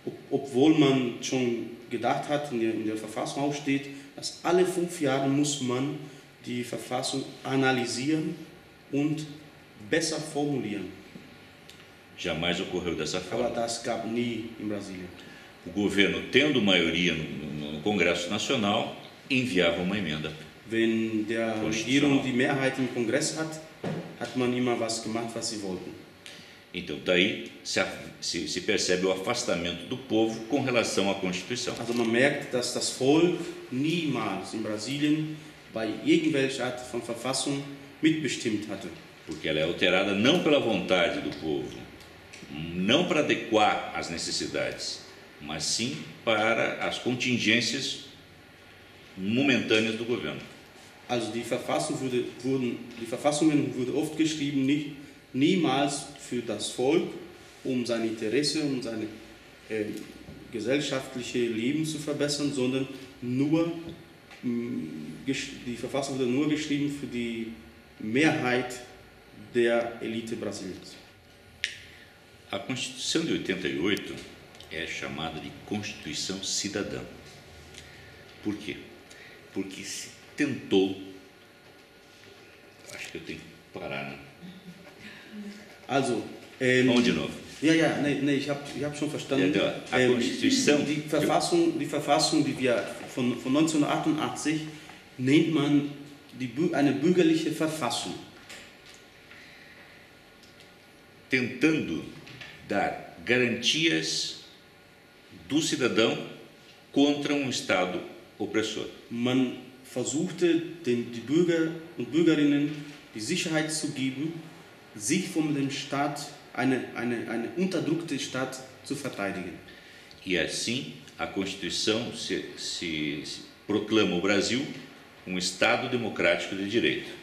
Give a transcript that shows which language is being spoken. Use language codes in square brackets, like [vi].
[de] Obwohl man schon gedacht hat, in der Verfassung auch steht, dass alle 5 Jahre muss man die Verfassung analysieren und besser formulieren. [pt] Jamais ocorreu dessa forma. [de] Aber das gab nie in Brasilien. [pt] O governo, tendo maioria no Congresso Nacional, enviava uma emenda. [de] Wenn der Regierung die Mehrheit im Kongress hat, hat man immer was gemacht, was sie wollten. [pt] Então, daí se percebe o afastamento do povo com relação à Constituição. [de] Also man merkt, dass das Volk niemals in Brasilien bei irgendwelcher Art von Verfassung mitbestimmt hatte. [pt] Porque ela é alterada não pela vontade do povo, não para adequar às necessidades, mas sim para as contingências momentâneas do governo. [de] Also die Verfassung wurde oft geschrieben, nicht niemals für das Volk, um sein Interesse und sein gesellschaftliche Leben zu verbessern, sondern nur die Verfassung wurde nur geschrieben für die Mehrheit der Elite Brasiliens. [pt] A Constituição de 88 é chamada de Constituição Cidadã. Por quê? Porque se tentou. Acho que eu tenho que parar, né? [de] Also, [pt] vamos de novo. [de] Ja, ja, nee, ich hab schon verstanden. [pt] Ja, a Constituição. [de] Die Verfassung, die wir von 1988 nennt man eine bürgerliche Verfassung. [pt] Tentando dar garantias do cidadão contra Estado opressor. [de] Man versuchte die Bürger und Bürgerinnen die Sicherheit zu geben, sich von dem Staat, eine unterdrückte Staat zu verteidigen. [pt] E assim a Constituição se proclama o Brasil Estado democrático de direito.